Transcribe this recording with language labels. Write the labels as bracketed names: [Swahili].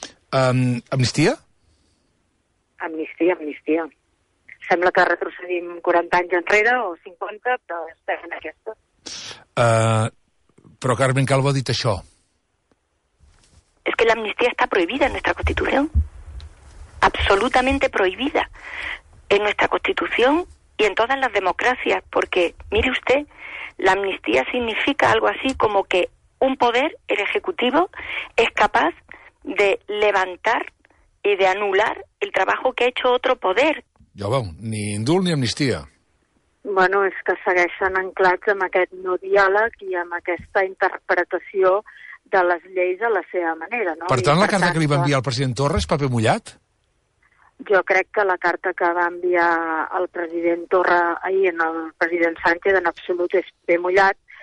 [Catalan] Amnistia? Amnistia. Sembla que retrocedim 40 anys enrere o 50, però estem en aquesta. Però Carmen Calvo ha dit això. És que l'amnistia està prohibida en nostra Constitució. [Spanish] Absolutamente prohibida [Catalan] en nostra Constitució i en totes les democràcies, perquè, [Spanish] mire usted, l'amnistia significa algo así como que un poder, el Ejecutivo, es capaz de levantar y de anular el trabajo que ha hecho otro poder. [Catalan] Ja veu, ni indult ni amnistia. Bueno, és que segueixen anclats amb aquest no diàleg i amb aquesta interpretació de les lleis a la seva manera, no? Per tant, la carta que li va enviar el president Torra és paper mullat? Jo crec que la carta que va enviar el president Torra ahir en el president Sánchez en absolut és paper mullat.